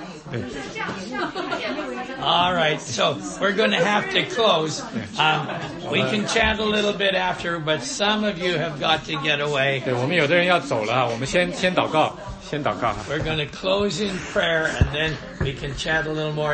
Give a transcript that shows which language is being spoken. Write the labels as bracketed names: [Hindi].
[English] All right, so we're going to have to close. We can chat a little bit after, but some of you have got to get away. [Chinese] 对，我们有的人要走了，我们先祷告。 [English] We're going to close in prayer, and then we can chat a little more.